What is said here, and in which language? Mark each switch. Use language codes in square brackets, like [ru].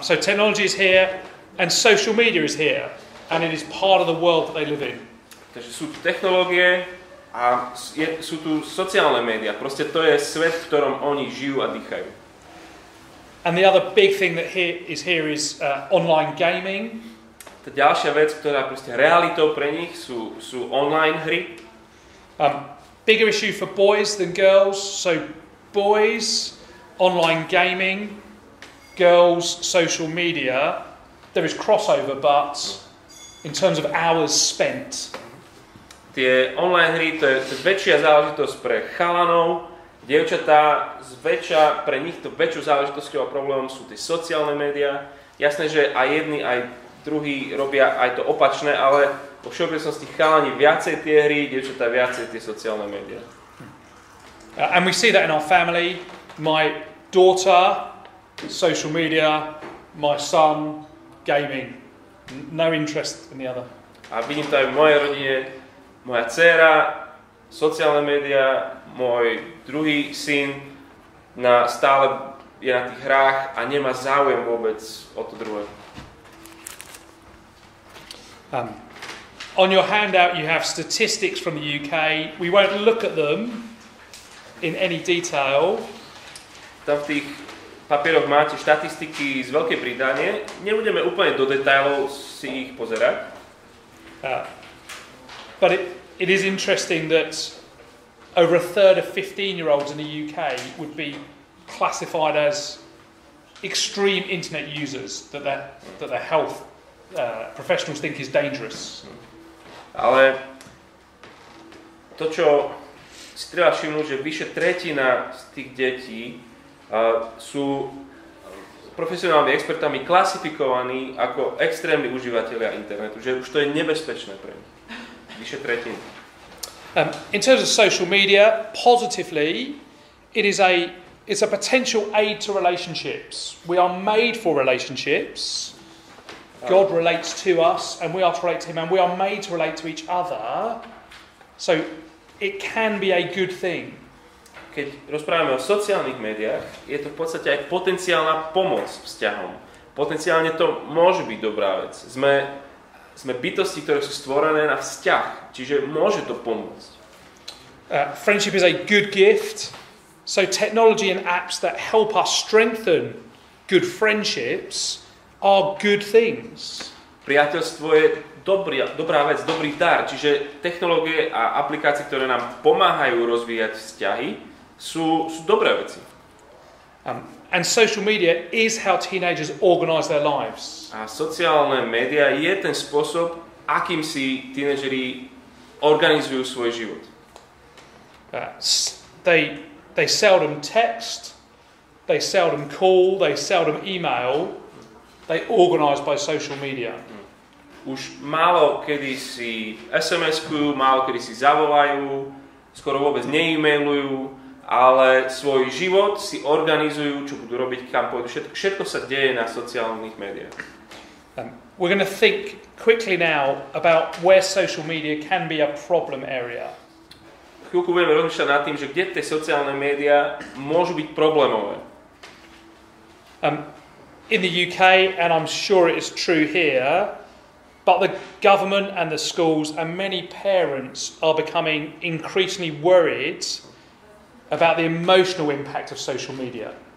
[en] So technology is here and social media is here and it is part of the world that they live in. [sk] Takže sú tu technológie a sú tu sociálne médiá. Proste to je svet, v ktorom oni žijú a dýchajú. [en] And the other big thing that is here is online gaming. [sk] Tá ďalšia vec, ktorá proste realitou pre nich sú online hry. [en] Bigger issue for boys than girls, so boys, online gaming, girls, social media, there is crossover, but in terms of hours spent. [sk] Tie online hry, to je väčšia záležitosť pre chalanov, dievčatá, zväčša, pre nich to väčšiu záležitosťou a problémom sú tie sociálne médiá. Jasné, že aj jedni, aj druhí robia aj to opačné, ale vo všeobecnosti chalani viacej tie hry, dievčatá viacej tie sociálne médiá. [en] And we see that in our family. My daughter, social media, my son, gaming. No interest in the other. [sk] A vidím to aj v mojej rodine. Moja dcéra, sociálne médiá, môj druhý syn, na stále je na tých hrách a nemá záujem vôbec o to druhé. [en] On your handout you have statistics from the UK. We won't look at them in any detail. [sk] Tam v tých papieroch máte štatistiky z Veľkej Británie. Nebudeme úplne do detailov si ich pozerať. [en] But it is interesting that over a third of 15-year-olds in the UK would be classified as extreme internet users, that their health professionals think is dangerous. [sk] Ale to, čo si treba všimnúť, že vyše tretina z tých detí sú profesionálmi expertami klasifikovaní ako extrémni užívatelia internetu, že už to je nebezpečné pre nich. Vyše tretina. [en] In terms of social media, positively, it's a potential aid to relationships. We are made for relationships. God relates to us, and we are to relate to him, and we are made to relate to each other. So it can be a good thing. [sk] Keď rozprávame o sociálnych médiách, je to v podstate aj potenciálna pomoc vzťahom. Potenciálne to môže byť dobrá vec. Sme bytosti, ktoré sú stvorené na vzťah, čiže môže to pomôcť. [en] Friendship is a good gift. So technology and apps that help us strengthen good friendships are good things. [sk] Priateľstvo je dobrá vec, dobrý dar, čiže technológie a aplikácie, ktoré nám pomáhajú rozvíjať vzťahy, sú dobré veci. [en] And social media is how teenagers organize their lives. [sk] A sociálne média je ten spôsob, akým si tínedžeri organizujú svoj život. [en] They seldom text, they seldom call, they seldom email. They organize by social media. [sk] Už málo kedy si SMS-kujú, málo kedy si zavolajú, skoro vôbec neemailujú. Ale svoj život si organizujú, čo budú robiť, kam pôjdu. Všetko sa deje na sociálnych médiách. [en] We're going to think quickly now about where social media can be a problem area. [sk] Chvíľku budeme rozmýšľať nad tým, že kde tie sociálne médiá môžu byť problémové. [en] In the UK, and I'm sure it is true here, but the government and the schools and many parents are becoming increasingly worried about the emotional impact of social media.